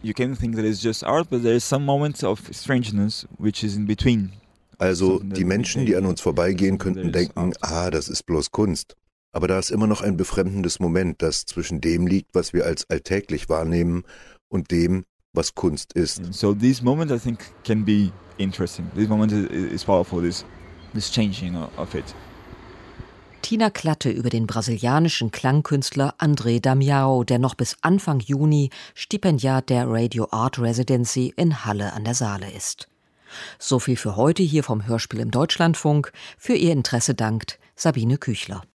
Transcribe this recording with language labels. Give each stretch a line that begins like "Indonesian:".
English: You can think that it's just art, but there is some moments of strangeness which is in between.
German: Also, die Menschen, die an uns vorbeigehen, könnten denken, ah, das ist bloß Kunst. Aber da ist immer noch ein befremdendes Moment, das zwischen dem liegt, was wir als alltäglich wahrnehmen, und dem, was Kunst ist.
English: So this moment I think can be interesting. This moment is powerful, this changing of it.
German: Tina Klatte über den brasilianischen Klangkünstler André Damião, der noch bis Anfang Juni Stipendiat der Radio Art Residency in Halle an der Saale ist. So viel für heute hier vom Hörspiel im Deutschlandfunk. Für Ihr Interesse dankt Sabine Küchler.